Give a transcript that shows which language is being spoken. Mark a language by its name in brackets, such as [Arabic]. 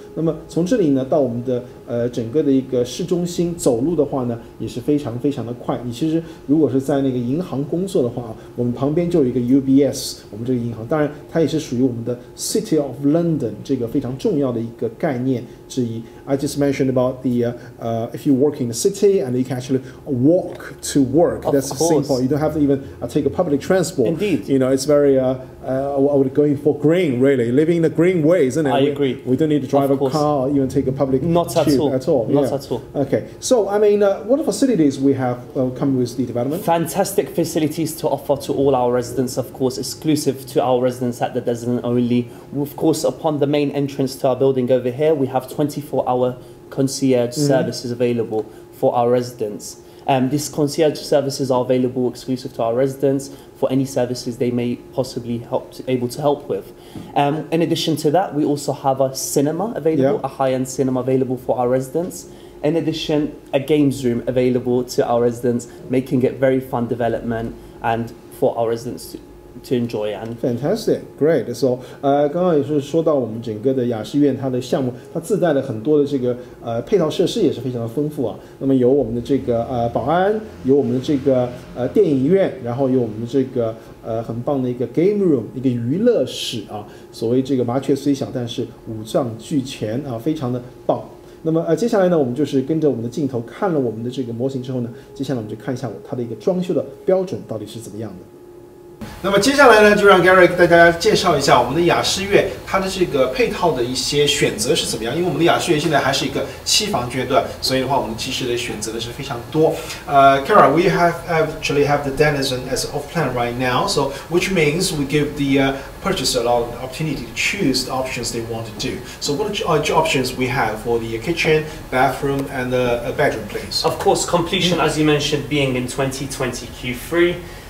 [Chinese] 那么从这里呢到我们的整个的一个市中心走路的话呢，也是非常非常的快。你其实如果是在那个银行工作的话啊，我们旁边就有一个 UBS， 我们这个银行，当然它也是属于我们的 City of London 这个非常重要的一个概念之一。 [English] I just mentioned about the if you work in the city and you can actually walk to work, that's simple. You don't have to even take a public transport. Indeed, you know it's very we're going for green, really. Living in a green way, isn't it? I agree. We don't need to drive a car or even take a public tube at all. Yeah. Not at all. Okay. So, I mean, what facilities we have come with the development? Fantastic facilities to offer to all our residents, of course, exclusive to our residents at the Desilin only. Of course, upon the main entrance to our building over here, we have 24-hour concierge services available for our residents. These concierge services are available exclusive to our residents for any services they may possibly be able to help with. In addition to that, we also have a cinema available, a high-end cinema available for our residents. In addition, a games room available to our residents, making it very fun development and for our residents to enjoy. And fantastic, great. [Chinese] So, 刚刚也是说到我们整个的雅诗苑它的项目，它自带了很多的这个配套设施也是非常的丰富啊。那么有我们的这个保安，有我们的这个电影院，然后有我们的这个很棒的一个 game room， 一个娱乐室啊。所谓这个麻雀虽小，但是五脏俱全啊，非常的棒。那么接下来呢，我们就是跟着我们的镜头看了我们的这个模型之后呢，接下来我们就看一下它的一个装修的标准到底是怎么样的。那么接下来呢，就让 Gary 给大家介绍一下我们的雅诗苑它的这个配套的一些选择是怎么样。因为我们的雅诗苑现在还是一个期房阶段，所以的话我们其实的选择的是非常多。 [English] Gary, we have actually have the Denizen as off plan right now, so which means we give the purchaser a lot of opportunity to choose the options they want to do. So what are the options we have for the kitchen, bathroom and the bedroom, please? Of course, completion, as you mentioned, being in 2020 Q3.